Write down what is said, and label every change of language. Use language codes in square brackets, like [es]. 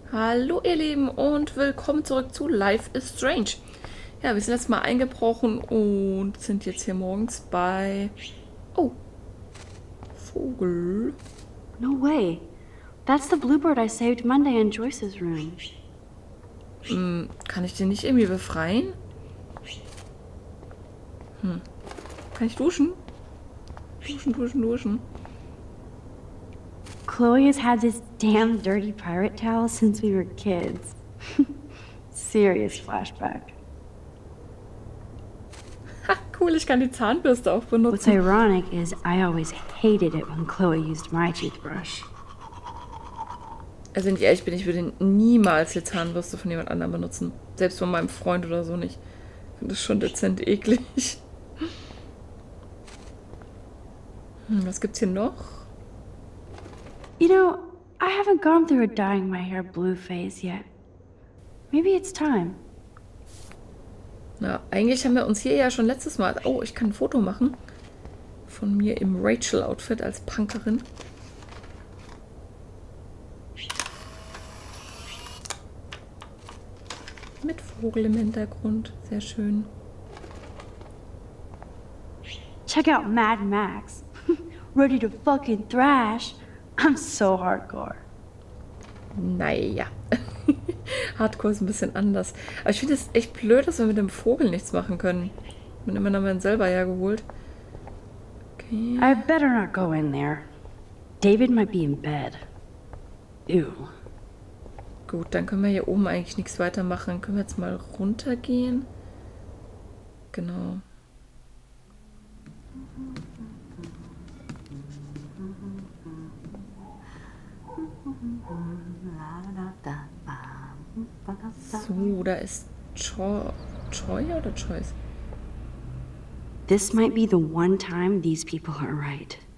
[de] Hallo ihr Lieben und willkommen zurück zu Life is Strange. Ja, wir sind jetzt mal eingebrochen und sind jetzt hier morgens bei... Oh! Vogel. [en] No way. That's the bluebird I saved Monday in Joyce's room. [de] Kann ich den nicht irgendwie befreien? Kann ich duschen? Duschen. [en] Chloe has had this damn dirty pirate towel since we were kids. Serious flashback. [de] Ha, cool, ich kann die Zahnbürste auch benutzen. [en] What's ironic is I always hated it when Chloe used my toothbrush. [de] Also, wenn ich ehrlich bin, ich würde niemals die Zahnbürste von jemand anderem benutzen. Selbst von meinem Freund oder so nicht. Ich finde das schon dezent eklig. Was gibt's hier noch? [en] You know, I haven't gone through a dyeing my hair blue phase yet. Maybe it's time. [de] Na, eigentlich haben wir uns hier ja schon letztes Mal... Oh, ich kann ein Foto machen. Von mir im Rachel-Outfit als Punkerin. Mit Vogel im Hintergrund. Sehr schön. [en] Check out Mad Max. Ready to fucking thrash. I'm so hardcore. [de] Naja. Hardcore ist ein bisschen anders. Aber ich finde es echt blöd, dass wir mit dem Vogel nichts machen können. Bin immer noch meinen selber hergeholt. [en] Okay. I better not go in there. David might be in bed. Ew. [de] Gut, dann können wir hier oben eigentlich nichts weitermachen. Können wir jetzt mal runtergehen? Genau. So, da ist Choi oder Choice. [en] This might be the one time these people are right.